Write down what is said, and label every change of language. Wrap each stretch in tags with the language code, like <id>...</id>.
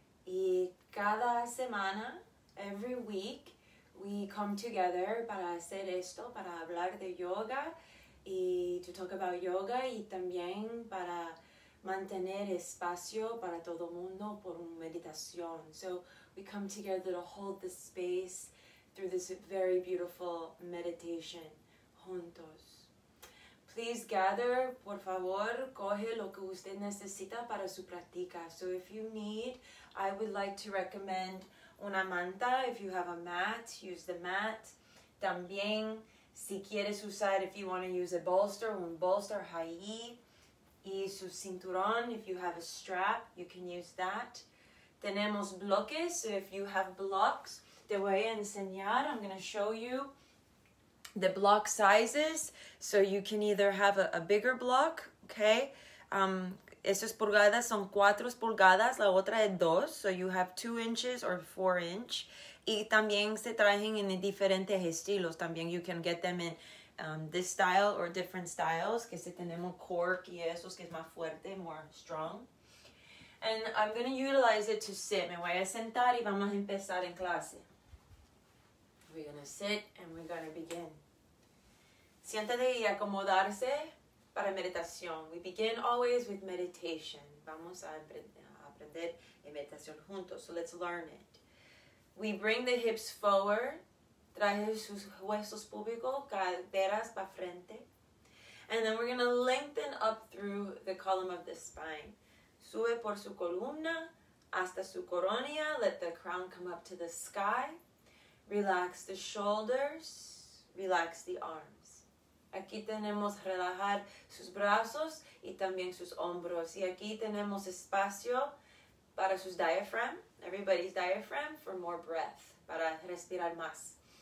<es>Y cada semana,</es> <en>every week, we come together</en> <es>para hacer esto, para hablar de yoga y</es> <en>to talk about yoga</en> <es>y también para mantener espacio para todo mundo por meditación.</es> <en>So we come together to hold the space through this very beautiful meditation</en> <es>juntos.</es> <en>Please gather,</en> <es>por favor, coge lo que usted necesita para su práctica.</es> <en>So if you need, I would like to recommend</en> <es>una manta.</es> <en>If you have a mat, use the mat.</en> <es>También, si quieres usar,</es> <en>if you want to use a bolster,</en> <es>un bolster, ahí. Y su cinturón,</es> <en>if you have a strap, you can use that.</en> <es>Tenemos bloques,</es> <en>so if you have blocks,</en> <es>te voy a enseñar,</es> <en>I'm going to show you the block sizes. So you can either have a bigger block, okay?</en> <es>Esas pulgadas son 4 pulgadas, la otra es 2,</es> <en>so you have 2 inches or 4 inch.</en> <es>Y también se traen en diferentes estilos, también</es> <en>you can get them in this style or different styles,</en> <es>que si tenemos cork y esos que es más fuerte,</es> <en>more strong. And I'm going to utilize it to sit.</en> <es>Me voy a sentar y vamos a empezar en clase.</es> <en>We're going to sit and we're going to begin.</en> <es>Siéntate y acomodarse para meditación.</es> <en>We begin always with meditation.</en> <es>Vamos a aprender meditación juntos.</es> <en>So let's learn it. We bring the hips forward.</en> <es>Traje sus huesos públicos, caderas para frente.</es> <en>And then we're going to lengthen up through the column of the spine.</en> <es>Sube por su columna hasta su coronilla.</es> <en>Let the crown come up to the sky. Relax the shoulders. Relax the arms.</en> <es>Aquí tenemos relajar sus brazos y también sus hombros. Y aquí tenemos espacio para sus diaphragm,</es> <en>everybody's diaphragm, for more breath,</en> <es>para respirar más.</es>